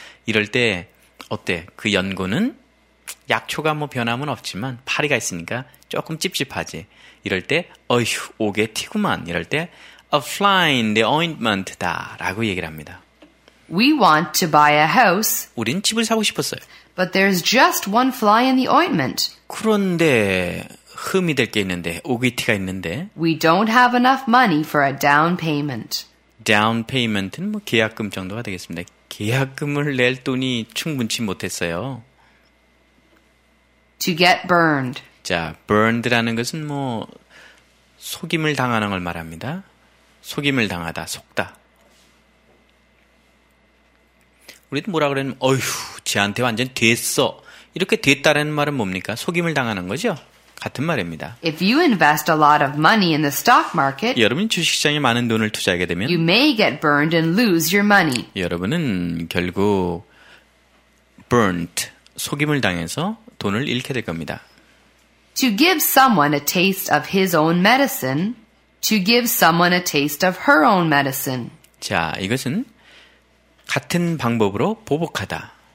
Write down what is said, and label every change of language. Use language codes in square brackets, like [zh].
[ko] 이럴 때 어때? 그 연고는 약초가 뭐 변함은 없지만 파리가 있으니까 조금 찝찝하지. 이럴 때 어휴 오게 튀구만. 이럴 때 [en] a fly in the ointment [ko] 다 라고 얘기를 합니다. [en] We want to buy a house. [ko] 우린 집을 사고 싶었어요. [en] But there's just one fly in the ointment. [ko] 그런데 흠이 될 게 있는데, 오기티가 있는데. [en] We don't have enough money for a down payment. [ko] Down payment은 뭐 계약금 정도가 되겠습니다. 계약금을 낼 돈이 충분치 못했어요. [en] To get burned. [ko] 자, burned라는 것은 뭐 속임을 당하는 걸 말합니다. 속임을 당하다, 속다. 우리도 뭐라 그랬냐면, 어휴, 쟤한테 완전 됐어. 이렇게 됐다라는 말은 뭡니까? 속임을 당하는 거죠? 같은 말입니다. [en] If you invest a lot of money in the stock market, [ko] 여러분이 주식시장에 많은 돈을 투자하게 되면, [en] you may get burned and lose your money. [ko] 여러분은 결국 burnt, 속임을 당해서 돈을 잃게 될 겁니다. [en] To give someone a taste of his own medicine, to give someone a taste of her own medicine. [ko] 자, 이것은 같은 방법으로 보복하다.